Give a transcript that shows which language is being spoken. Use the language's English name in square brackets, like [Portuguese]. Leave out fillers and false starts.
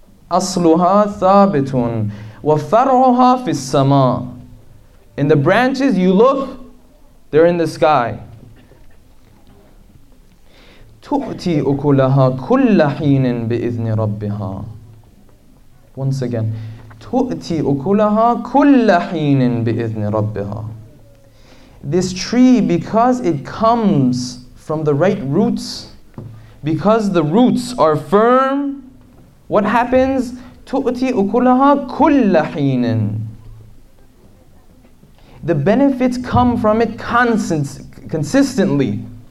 [Arabic] أصلها ثابت وفرعها في السماء. [English] In the branches, you look, they're in the sky. [Arabic] تؤتي أكلها كل حين بإذن ربها. [English] Once again, [Arabic] تؤتي أكلها كل حين بإذن ربها. [English] This tree, because it comes from the right roots, because the roots are firm, what happens? [Arabic] تُؤْتِي أُكُلَهَا كُلَّ حِينٍ [English] The benefits come from it consistently.